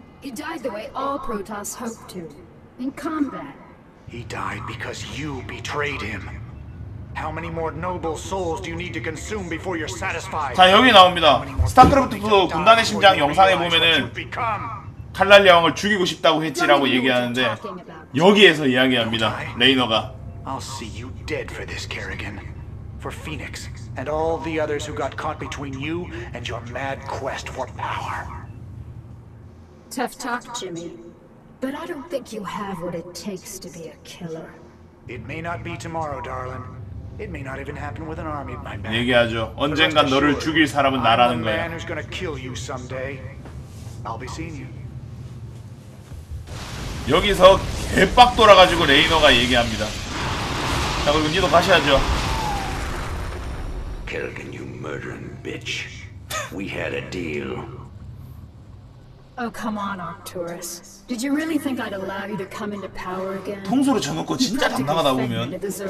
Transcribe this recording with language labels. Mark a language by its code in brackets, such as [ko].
[en] He died the way all Protoss hoped to, in combat. He died because you betrayed him. How many more noble souls do you need to consume before you're satisfied? [ko] 자 여기 나옵니다. 스타크래프트 군단의 심장 영상에 보면은 칼날리아 왕을 죽이고 싶다고 했지라고 얘기하는데 여기에서 이야기합니다. 레이너가. [en] I'll see you dead for this, Kerrigan. For Phoenix and all the others who got caught between you and your mad quest for power. Tough talk, Jimmy. But I don't think you have what it takes to be a killer. It may not be tomorrow, darling. It may not even happen with an army of my men. [ko] 얘기하죠. 언젠가 너를 죽일 사람은 나라는 거야. [en] I'm the man who's gonna kill you someday. I'll be seeing you. [ko] 여기서 개빡 돌아가지고 레이너가 얘기합니다. 자 그리고 니도 가셔야죠. [en] Kerrigan, you murdering bitch. We had a deal. Oh, come on, Arcturus. Did you really think I'd allow you to come into power again? [ko] 통수로 쳐놓고 진짜 당당하다 보면.